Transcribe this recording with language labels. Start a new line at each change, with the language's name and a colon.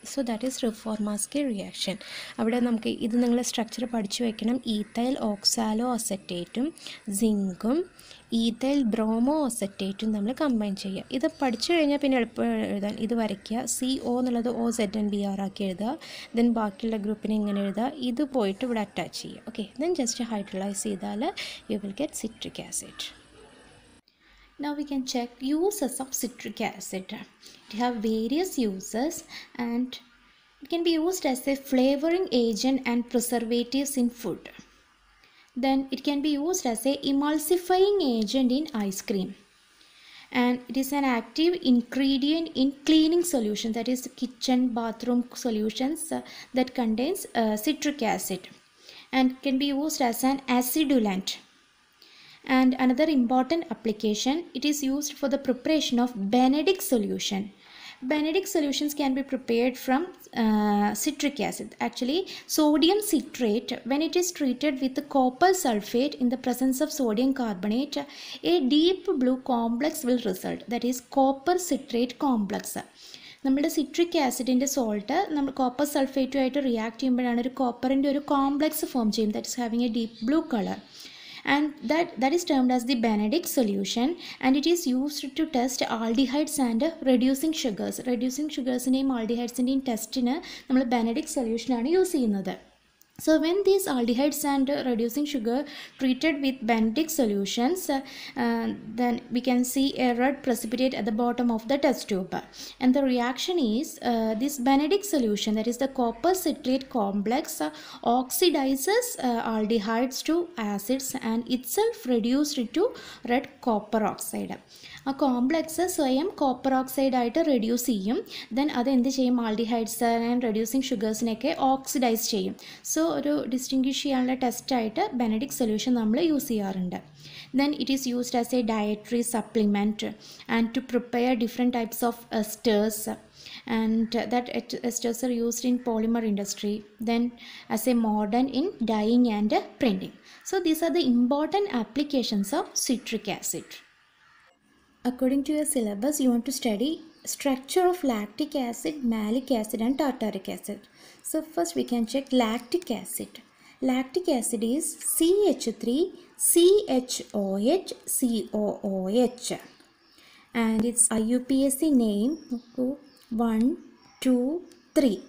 English: So that is Reformatsky reaction.
Malayalam: അവിടെ നമുക്ക് ഇത് നിങ്ങൾ സ്ട്രക്ചർ പഠിച്ചു വയ്ക്കണം, ഈഥൈൽ ഓക്സാലോ അസെറ്റേറ്റും സിങ്കും ഈഥൈൽ ബ്രോമോ അസെറ്റേറ്റും നമ്മൾ കമ്പൈൻ ചെയ്യുക. ഇത് പഠിച്ചു കഴിഞ്ഞാൽ പിന്നെ എളുപ്പം എഴുതാൻ, ഇത് വരയ്ക്കുക, സി ഒ എന്നുള്ളത് O Z N B R ആക്കി എഴുതുക, ദെൻ ബാക്കിയുള്ള ഗ്രൂപ്പിനെ ഇങ്ങനെ എഴുതുക, ഇത് പോയിട്ട് ഇവിടെ അറ്റാച്ച് ചെയ്യുക.
English: Okay, then just hydrolyse ചെയ്താൽ you will get citric acid. Now we can check uses of citric acid. It have various uses and it can be used as a flavoring agent and preservatives in food. Then it can be used as a emulsifying agent in ice cream. And it is an active ingredient in cleaning solution, that is kitchen bathroom solutions that contains citric acid. And can be used as an acidulant. And another important application, it is used for the preparation of Benedict solution. Benedict solutions can be prepared from citric acid. Actually, sodium citrate, when it is treated with the copper sulfate in the presence of sodium carbonate, a deep blue complex will result. That is copper citrate complex.
Malayalam: നമ്മുടെ citric ആസിഡിൻ്റെ salt നമ്മൾ copper സൾഫേറ്റുമായിട്ട് react ചെയ്യുമ്പോഴാണ് ഒരു കോപ്പറിൻ്റെ ഒരു complex form ചെയ്യും.
English: That is having a deep blue colour and that is termed as the Benedict solution and it is used to test aldehydes and reducing sugars.
Malayalam: Reducing ഷുഗേഴ്സിൻ്റെയും ആൾഡിഹൈഡ്സിൻ്റെയും ടെസ്റ്റിന് നമ്മൾ Benedict സൊല്യൂഷനാണ് use ചെയ്യുന്നത്.
English: So when these aldehydes and reducing sugar treated with Benedict solutions, then we can see a red precipitate at the bottom of the test tube. And the reaction is, this Benedict solution, that is the copper citrate complex, oxidizes aldehydes to acids and itself reduced it to red copper oxide.
Malayalam: ആ complex സ്വയം copper oxide ആയിട്ട് reduce ചെയ്യും. Then അതെന്ത് ചെയ്യും? Aldehydes and reducing ഷുഗേഴ്സിനെയൊക്കെ oxidise ചെയ്യും. So ഒരു distinguish ചെയ്യാനുള്ള ടെസ്റ്റായിട്ട് Benedict solution നമ്മൾ യൂസ് ചെയ്യാറുണ്ട്.
English: Then it is used as a dietary supplement and to prepare different types of esters and that esters are used in polymer industry then as a modern in dyeing and printing. So these are the important applications of citric acid. According to your syllabus, you want to study structure of lactic acid, malic acid and tartaric acid. So first we can check lactic acid. Lactic acid is CH3CHOHCOOH and its IUPAC name 1, 2, 3.